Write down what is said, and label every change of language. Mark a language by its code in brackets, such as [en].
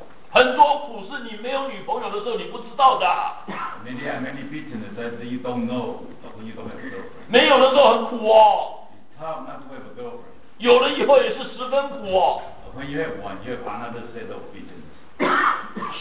[zh] 很多苦是你没有女朋友的时候你不知道的。 [en] Many are many bitterness that you don't know when you don't have a girlfriend。 [zh] 没有的时候很苦哦。 [en] It's tough not to have a girlfriend。 [zh] 有了以后也是十分苦哦。 [en] When you have one, you have another set of bitterness。